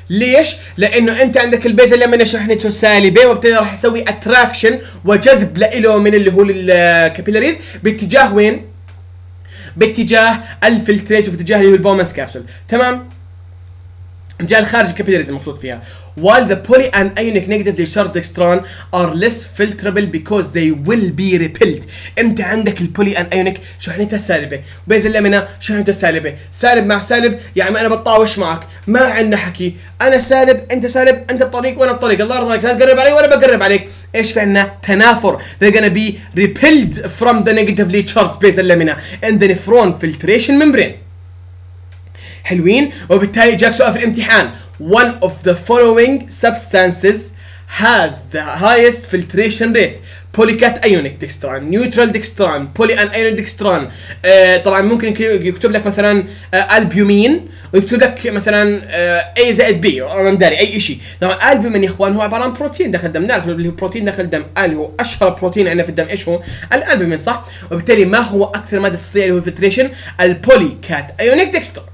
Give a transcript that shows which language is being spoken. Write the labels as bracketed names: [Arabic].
[Arabic] ليش؟ لانه انت عندك البيزا لمنه شحنته سالبه وبالتالي راح يسوي اتراكشن وجذب له من اللي هو الكابيلاريز باتجاه وين؟ باتجاه الفلتريت وباتجاه اللي هو البومنس كابسول، تمام؟ جاء الخارج الكابيلاريز المقصود فيها. [English] While the poly and ionic negatively charged dextran are less filterable because they will be repelled. [Arabic] انت عندك البولي and ionic شحنتها سالبة، بيز اللامنة شحنتها سالبة، سالب مع سالب يعني انا بتطاوش معك، ما عندنا حكي، انا سالب انت سالب، انت بطريق وانا بطريق، الله يرضى عليك لا تقرب علي وانا بقرب عليك، ايش في عندنا؟ تنافر. [English] They're gonna be repelled from the negatively charged base اللامنة in the nephron filtration membrane. [Arabic] حلوين؟ وبالتالي جاك سؤال في الامتحان. [English] One of the following substances has the highest filtration rate. Polycat ionic dextran, neutral dextran, polyanionic dextran. [Arabic] طبعا ممكن يكتب لك مثلا albumin ويكتب لك مثلا A زائد B أنا مداري أي شيء. طبعا albumin يا إخوان هو عبارة عن بروتين داخل الدم، نعرف اللي هو بروتين داخل الدم، اللي هو أشهر بروتين عندنا في الدم إيش هو؟ الالبومين، صح؟ وبالتالي ما هو أكثر مادة تستطيع له filtration؟ البوليكات ايونيك dextran.